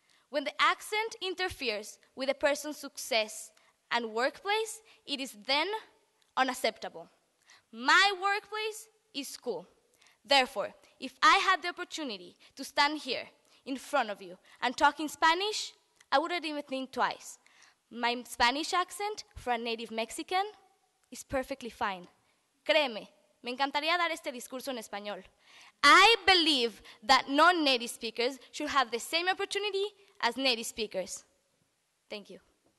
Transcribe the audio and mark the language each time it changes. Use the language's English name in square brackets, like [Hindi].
[English] When the accent interferes with a person's success and workplace, it is then unacceptable. My workplace is school. Therefore, if I had the opportunity to stand here in front of you and talk in Spanish, I wouldn't even think twice. My Spanish accent for a native Mexican is perfectly fine. [Spanish] Créeme, me encantaría dar este discurso en español. [English] I believe that non-native speakers should have the same opportunity as native speakers. Thank you.